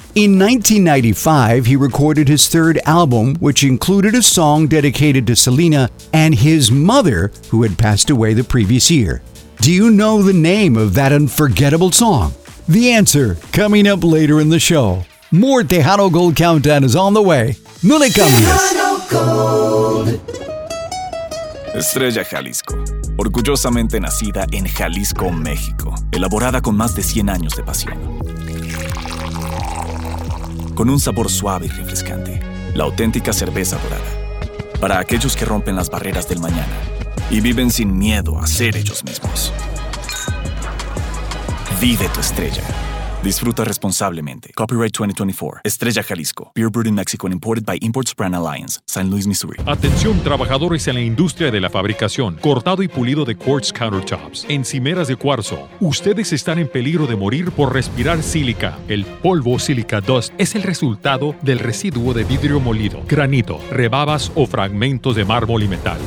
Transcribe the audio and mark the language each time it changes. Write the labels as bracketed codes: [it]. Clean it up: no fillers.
[en] In 1995, he recorded his third album, which included a song dedicated to Selena and his mother, who had passed away the previous year. Do you know the name of that unforgettable song? The answer, coming up later in the show. More Tejano Gold Countdown is on the way. [es] No le cambies. Estrella Jalisco, orgullosamente nacida en Jalisco, México, elaborada con más de 100 años de pasión. Con un sabor suave y refrescante, la auténtica cerveza dorada. Para aquellos que rompen las barreras del mañana y viven sin miedo a ser ellos mismos. Vive tu estrella. Disfruta responsablemente. Copyright 2024. Estrella Jalisco. [en] Beer brewed in Mexico and imported by Imports Brand Alliance. [es] San Luis, Missouri. Atención, trabajadores en la industria de la fabricación. Cortado y pulido de quartz countertops. Encimeras de cuarzo. Ustedes están en peligro de morir por respirar sílica. El polvo sílica dust es el resultado del residuo de vidrio molido, granito, rebabas o fragmentos de mármol y metal.